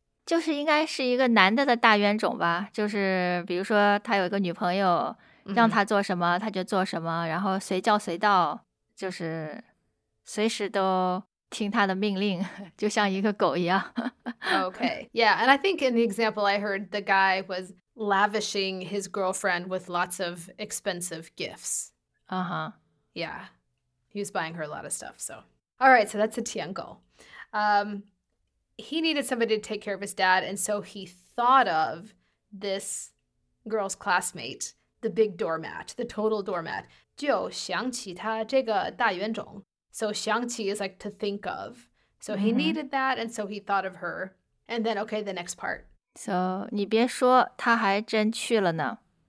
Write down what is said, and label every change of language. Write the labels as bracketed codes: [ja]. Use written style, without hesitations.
[zh] 就是应该是一个男的的大冤种吧。就是比如说他有一个女朋友让他做什么他就做什么然后随叫随到就是随时都。听他的命令，就像一个狗一样。 [en] Okay, yeah, and I think in the example I heard, the guy was lavishing his girlfriend with lots of expensive gifts. Uh-huh. Yeah, he was buying her a lot of stuff, so. All right, so that's a 舔狗. He needed somebody to take care of his dad, and so he thought of this girl's classmate, the big doormat, the total doormat. [zh] 就想起他这个大冤种。 [en] So 想起 is like to think of. So he needed that, and so he thought of her. And then, okay, the next part. [zh] So 你别说他还真去了呢。